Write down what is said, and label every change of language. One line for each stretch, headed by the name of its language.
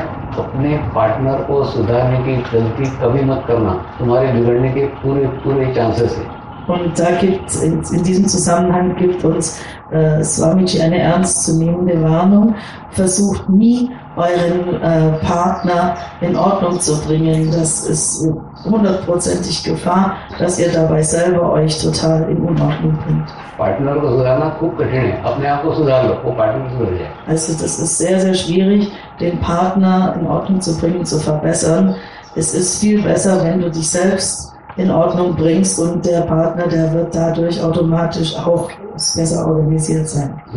Hindi: अपने पार्टनर को सुधारने की गलती कभी मत करना तुम्हारे बिगड़ने के पूरे पूरे चांसेस है
German: und da gibt's in diesem Zusammenhang gibt uns Swamiji eine ernstzunehmende Warnung versucht nie euren Partner in Ordnung zu bringen das ist hundertprozentig Gefahr dass ihr dabei selber euch total in Unordnung bringt
Hindi: partner को सुधारना खूब कठिन है अपने आप को सुधार लो वो पार्टनर सुधर जाए
German: also das ist sehr sehr schwierig den Partner in Ordnung zu bringen zu verbessern es ist viel besser wenn du dich selbst in Ordnung bringst und der Partner, der wird dadurch automatisch auch besser organisiert sein.